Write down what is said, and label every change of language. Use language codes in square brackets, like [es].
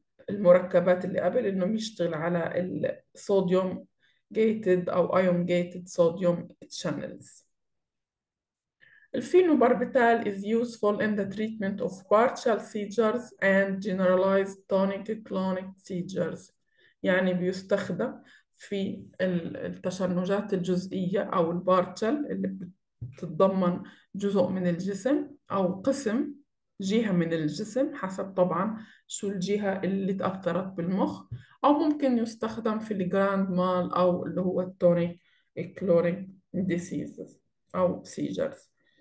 [ar] المركبات اللي قبل انه بيشتغل على الصوديوم جيتد او ايون جيتد صوديوم شانلز. [en] الفينوباربيتال is useful in the treatment of partial seizures and generalized tonic-clonic seizures. [ar] يعني بيستخدم في التشنجات الجزئية أو البارتشل اللي بتتضمن جزء من الجسم أو قسم جهة من الجسم حسب طبعا شو الجهة اللي تأثرت بالمخ، أو ممكن يستخدم في الجراند مال أو اللي هو التونيك-كلونيك ديزيزز أو سيجرز.